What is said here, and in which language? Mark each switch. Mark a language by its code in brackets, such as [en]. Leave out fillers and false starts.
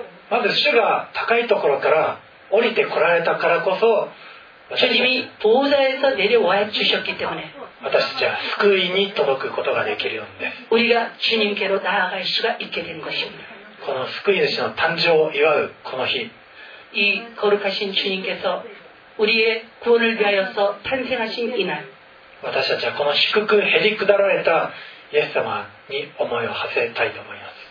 [ja] まず主が高いところから降りてこられたからこそ [ko] 주님이보좌에서내려와주셨기때문에 [ja] 私たちは救いに届くことができるんです。 [ko] 우리가주님께로나아갈수가있게된것입니다。 [ja] この救い主の誕生を祝うこの日、 [ko] 이거룩하신주님께서우리의구원을위하여서탄생하신이날、 [ja] 私たちはこの祝福へりくだられたイエス様に思いを馳せたいと思います。